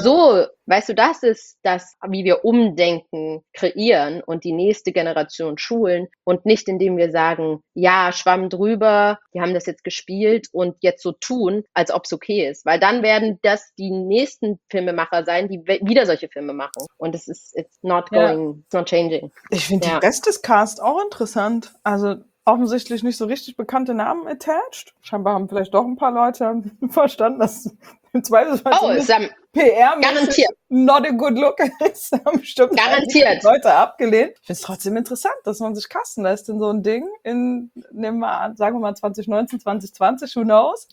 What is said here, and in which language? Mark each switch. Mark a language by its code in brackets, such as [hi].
[de] So, weißt du, das ist das, wie wir Umdenken kreieren und die nächste Generation schulen und nicht, indem wir sagen, ja, schwamm drüber, wir haben das jetzt gespielt und jetzt so tun, als ob es okay ist. Weil dann werden das die nächsten Filmemacher sein, die wieder solche Filme machen. Und es ist, [en] it's not changing. [de] Ich finde den Rest des Cast auch interessant. Also, offensichtlich nicht so richtig bekannte Namen attached. Scheinbar haben vielleicht doch ein paar Leute verstanden, dass im Zweifelsfall PR-mäßig [en] not a good look [de] ist. Bestimmt garantiert. Leute abgelehnt. Ich finde es trotzdem interessant, dass man sich casten lässt in so ein Ding. Sagen wir mal 2019, 2020, [en] who knows?